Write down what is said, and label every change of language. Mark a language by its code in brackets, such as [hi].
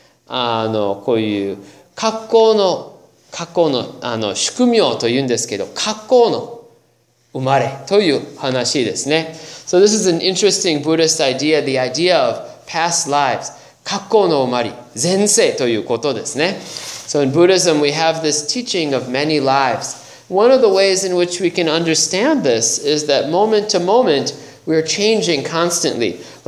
[en] So this is an interesting Buddhist idea, the idea of past lives. [ja] 過去の生まれ、前世ということですね。 [en] So in Buddhism, we have this teaching of many lives. One of the ways in which we can understand this is that moment to moment, we are changing constantly.